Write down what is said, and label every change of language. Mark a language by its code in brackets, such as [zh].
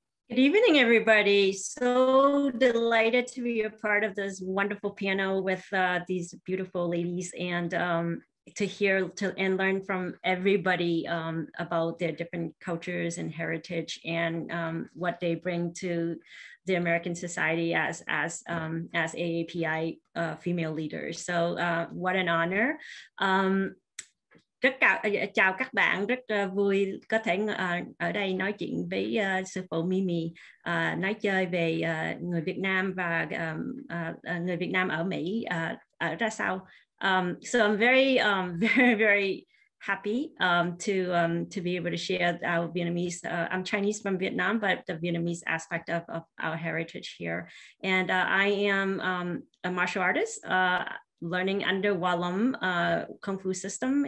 [en] Good evening, everybody. So delighted to be a part of this wonderful panel with these beautiful ladies, and to hear and learn from everybody about their different cultures and heritage and what they bring to the American society as AAPI female leaders. So what an honor. [vi] Rất chào các bạn, rất vui có thể ở đây nói chuyện với sư phụ Mimi, nói chơi về người Việt Nam và người Việt Nam ở Mỹ ở ra sao. [en] So I'm very, very, very happy to be able to share our Vietnamese. I'm Chinese from Vietnam, but the Vietnamese aspect of our heritage here. And I am a martial artist, learning under Walam Kung Fu system.